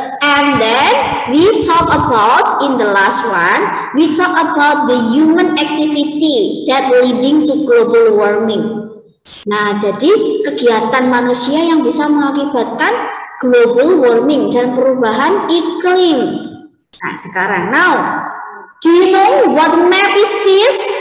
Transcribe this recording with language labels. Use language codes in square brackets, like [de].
[en] And then we talk about in the last one, we talk about the human activity that leading to global warming. [id] Nah, jadi kegiatan manusia yang bisa mengakibatkan global warming dan perubahan iklim. Nah, sekarang [en] now, do you know what map is this?